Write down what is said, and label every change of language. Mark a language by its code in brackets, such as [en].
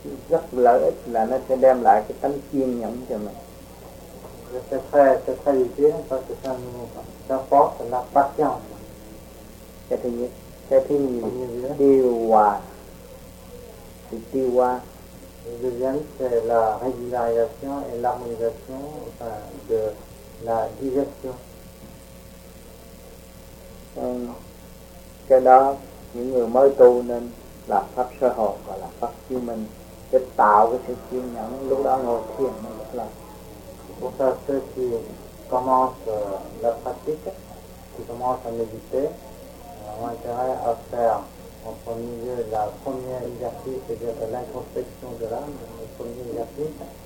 [vi] Rất lợi ích là nó sẽ đem lại cái tánh kiên nhẫn cho mình. [fr] C'est très utile parce que ça nous apporte la patience. [vi] Cái thứ nhì, điều hòa. [fr] Le deuxième, c'est la régularisation et l'harmonisation de la digestion. [vi] Cái đó, những người mới tu nên là pháp sơ hộ và là pháp chiêu minh, để tạo cái sự kiên nhẫn lúc đó ngồi thiền mới được lành. [fr] Pour ça, ceux qui commencent la pratique, qui commencent à méditer, ont intérêt à faire en premier lieu la première exercice, c'est-à-dire l'introspection de l'âme, le premier exercice,